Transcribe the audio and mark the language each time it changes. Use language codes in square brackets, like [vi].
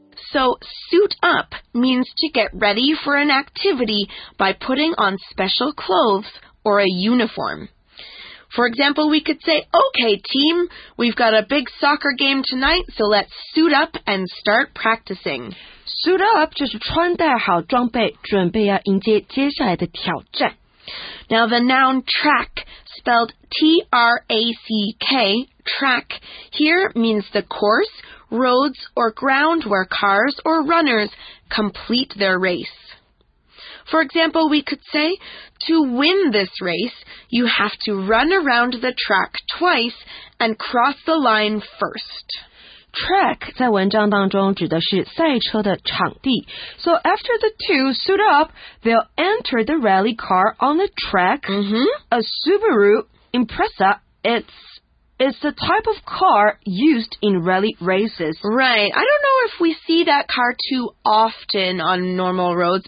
[en] So, suit up means to get ready for an activity by putting on special clothes or a uniform. For example, we could say, okay, team, we've got a big soccer game tonight, so let's suit up and start practicing. [zh] Suit up 就是穿戴好装备，准备要迎接接下来的挑战。 [en] Now, the noun track, spelled T-R-A-C-K, track, here means the course, roads, or ground where cars or runners complete their race. For example, we could say, to win this race, you have to run around the track twice and cross the line first. [zh] Track 在文章当中指的是赛车的场地。 [en] So after the two suit up, they'll enter the rally car on the track. Mm-hmm. A Subaru Impreza, it's the type of car used in rally races. Right. I don't know if we see that car too often on normal roads.